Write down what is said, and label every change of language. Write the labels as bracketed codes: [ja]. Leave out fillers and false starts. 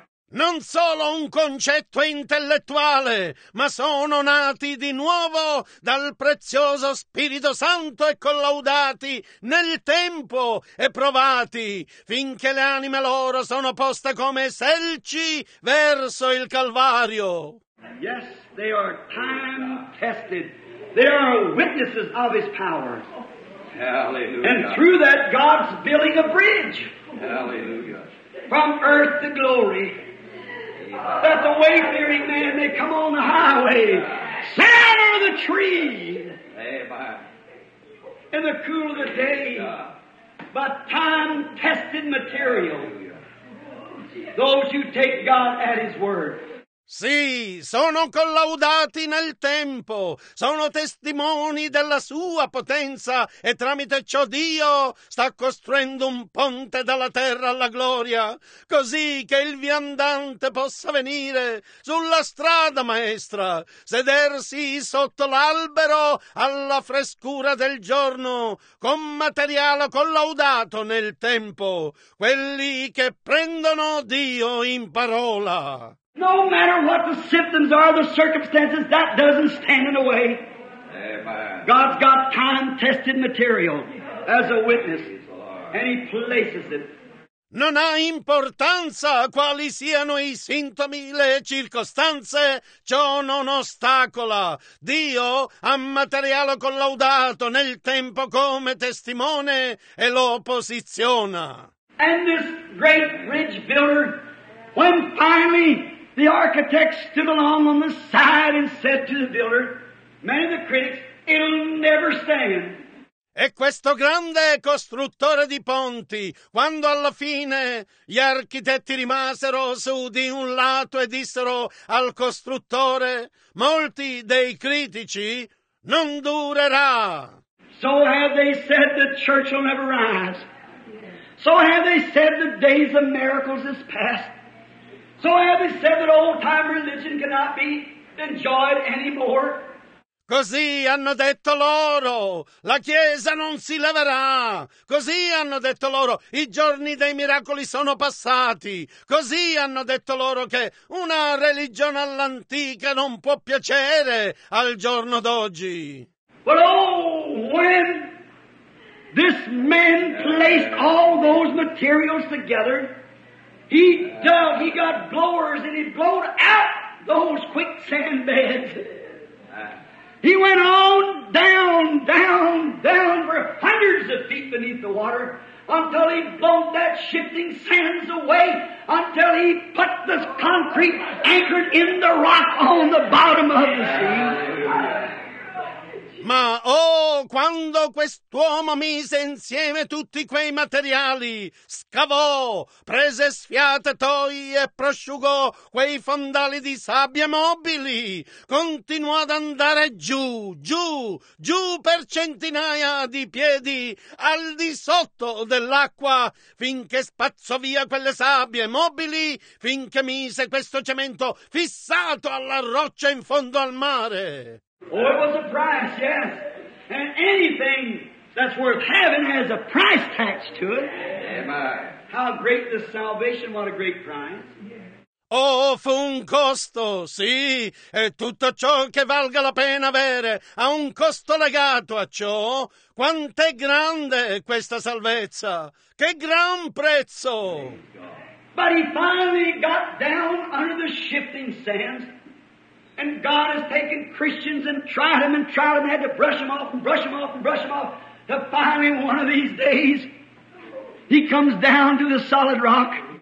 [it] Non solo un concetto intellettuale, ma sono nati di nuovo dal prezioso Spirito Santo e collaudati nel tempo e provati, finché le anime loro sono poste come selci verso il Calvario. [en] Yes, they are time tested. They are witnesses of His power. Hallelujah. And through that, God's building a bridge. Hallelujah. From earth to glory. That the wayfaring man may come on the highway, sat under the tree, in the cool of the day, but time-tested material, those who take God at His word. [it] Sì, sono collaudati nel tempo, sono testimoni della sua potenza e tramite ciò Dio sta costruendo un ponte dalla terra alla gloria, così che il viandante possa venire sulla strada maestra, sedersi sotto l'albero alla frescura del giorno, con materiale collaudato nel tempo, quelli che prendono Dio in parola. [en] No matter what the symptoms are, the circumstances, that doesn't stand in the way. Amen. God's got time-tested material as a witness, and He places it. [it] Non ha importanza quali siano i sintomi, le circostanze, ciò non ostacola. Dio ha materiale collaudato nel tempo come testimone e lo posiziona. [en] And this great bridge builder, when finally the architect stood along on the side and said to the builder, many of the critics, it'll never stand. [it] E questo grande costruttore di ponti, quando alla fine gli architetti rimasero su di un lato e dissero al costruttore, molti dei critici, non durerà. [en] So have they said the church will never rise. So have they said the days of miracles is past. So have they said that old time religion cannot be enjoyed anymore? [it] Così hanno detto loro, la Chiesa non si leverà. Così hanno detto loro, i giorni dei miracoli sono passati. Così hanno detto loro che una religione all'antica non può piacere al giorno d'oggi. [en] But oh, when this man placed all those materials together, he dug, he got blowers, and he blowed out those quicksand beds. He went on down, down, down for hundreds of feet beneath the water until he blew that shifting sands away, until he put this concrete anchored in the rock on the bottom of the sea. [it] Ma oh, quando quest'uomo mise insieme tutti quei materiali, scavò, prese sfiatatoi e prosciugò quei fondali di sabbia mobili, continuò ad andare giù, giù, giù per centinaia di piedi al di sotto dell'acqua, finché spazzò via quelle sabbie mobili, finché mise questo cemento fissato alla roccia in fondo al mare. [en] Oh, it was a price, yes. And anything that's worth having has a price attached to it. Amen. How great the salvation, what a great price. [it] Oh, fu un costo, sì, e tutto ciò che valga la pena avere ha un costo legato a ciò. Quant'è grande questa salvezza? Che gran prezzo! [en] But he finally got down under the shifting sands. And God has taken Christians and tried them, had to brush them off and brush them off and brush them off. Till finally, one of these days, he comes down to the solid rock.